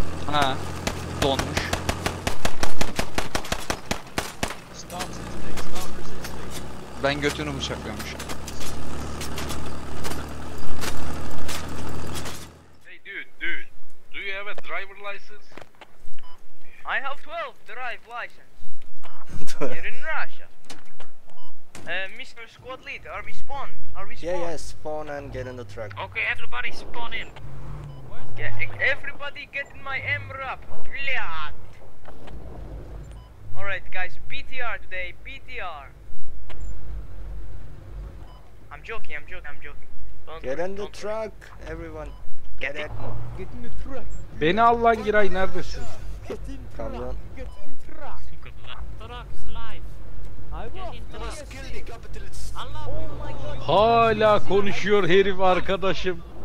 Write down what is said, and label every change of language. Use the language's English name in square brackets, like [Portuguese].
[Turkish] Ha, donmuş. Ben götünü bıçaklıyormuşum. [English] Hey dude, do you have a driver license? I have 12 drive license. Here in Russia. Mr. Squad Lead, are we spawn? Are we spawn? Yeah, yeah, spawn and get in the truck. Okay, everybody spawn in. Everybody get in my MRAP, blyat! Alright guys, BTR today, BTR! I'm joking. Get in the truck, everyone. Get in the truck. [Turkish] Beni al lan Giray, neredesin? [English] Get in the truck. Get in the truck. Truck is live. [Turkish] Hala konuşuyor herif arkadaşım.